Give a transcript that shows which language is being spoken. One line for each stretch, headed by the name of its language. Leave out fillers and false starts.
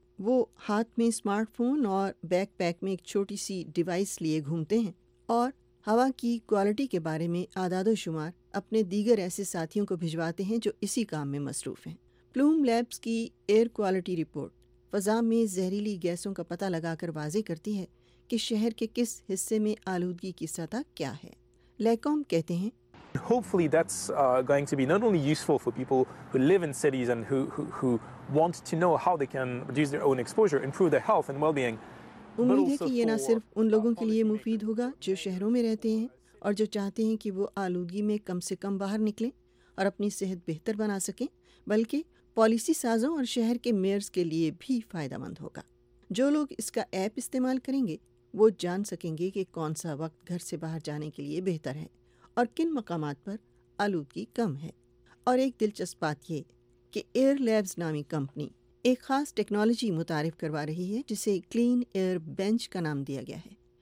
Urdu: وہ ہاتھ میں اسمارٹ فون اور بیک پیک میں ایک چھوٹی سی ڈیوائس لیے گھومتے ہیں اور ہوا کی کوالٹی کے بارے میں اعداد و شمار اپنے دیگر ایسے ساتھیوں کو بھجواتے ہیں جو اسی کام میں مصروف ہیں۔ پلوم لیبس کی ایئر کوالٹی رپورٹ فضا میں زہریلی گیسوں کا پتہ لگا کر واضح کرتی ہے کہ شہر کے کس حصے میں آلودگی کی سطح کیا ہے۔ لیکوم کہتے ہیں
English: Hopefully that's going to be not only useful for people who live in cities and who want to know how they can reduce their own exposure, improve their health and well-being.
Urdu: امید ہے کہ یہ نہ صرف ان لوگوں کے لیے مفید ہوگا جو شہروں میں رہتے ہیں اور جو چاہتے ہیں کہ وہ آلودگی میں کم سے کم باہر نکلیں اور اپنی صحت بہتر بنا سکیں، بلکہ پالیسی سازوں اور شہر کے میئرز کے لیے بھی فائدہ مند ہوگا۔ جو لوگ اس کا ایپ استعمال کریں گے وہ جان سکیں گے کہ کون سا وقت گھر سے باہر جانے کے لیے بہتر ہے اور کن مقامات پر آلودگی کم ہے۔ اور ایک دلچسپ بات یہ کہ ایئر لیبز نامی کمپنی ایک خاص ٹیکنالوجی متعارف کروا رہی ہے جسے کلین ایئر بینچ کا نام دیا گیا ہے۔